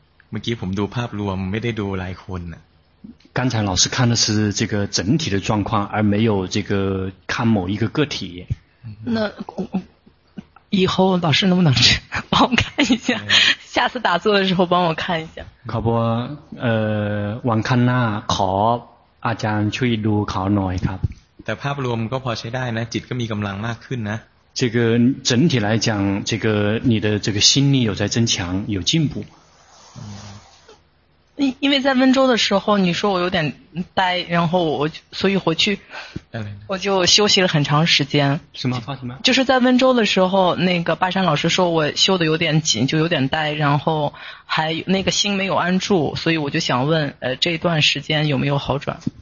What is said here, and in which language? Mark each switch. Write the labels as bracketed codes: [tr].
[th] เมื่อกี้ผมดูภาพรวมไม่ได้ดูหลายคนอ่ะ [zh] 刚才老师看的是这个整体的状况而没有这个看某一个个体那以后老师能不能帮我看一下下次打坐的时候帮我看一下 [th] ขอบว่าวันข้างหน้าขออาจารย์ช่วยดูเขาหน่อยครับ แต่ภาพรวมก็พอใช้ได้นะจิตก็มีกำลังมากขึ้นนะ [zh] 这个整体来讲，这个你的这个心力有在增强，有进步。因为在温州的时候，你说我有点呆，然后所以回去，我就休息了很长时间。什么？发什么？就是在温州的时候，那个巴山老师说我修的有点紧，就有点呆，然后还那个心没有安住，所以我就想问，这段时间有没有好转？